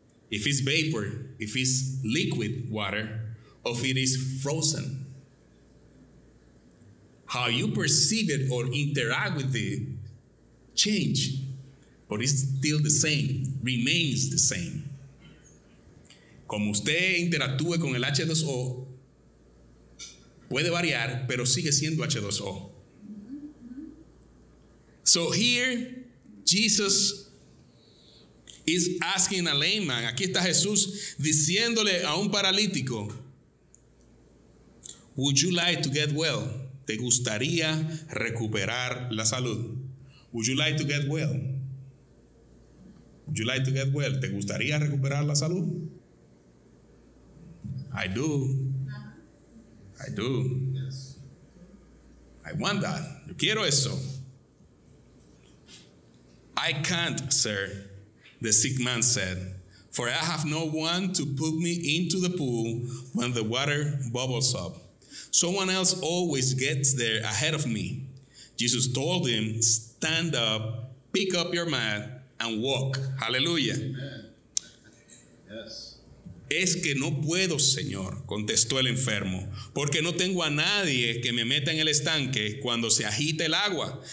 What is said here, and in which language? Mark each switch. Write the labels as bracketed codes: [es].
[en] If it's vapor, if it's liquid water, or if it is frozen. How you perceive it or interact with it change, but it's still the same, remains the same. [es] Como usted interactúe con el H2O, puede variar, pero sigue siendo H2O. [en] So here, Jesus is asking a layman. [es] Aquí está Jesús diciéndole a un paralítico, [en] would you like to get well? [es] ¿Te gustaría recuperar la salud? [en] Would you like to get well? Would you like to get well? [es] ¿Te gustaría recuperar la salud? [en] I do. Yes. I want that. [es] Yo quiero eso. [en] I can't, sir, the sick man said, for I have no one to put me into the pool when the water bubbles up. Someone else always gets there ahead of me. Jesus told him, stand up, pick up your mat, and walk. Hallelujah. Amen. Yes. [es] Es que no puedo, Señor, contestó el enfermo, porque no tengo a nadie que me meta en el estanque cuando se agita el agua.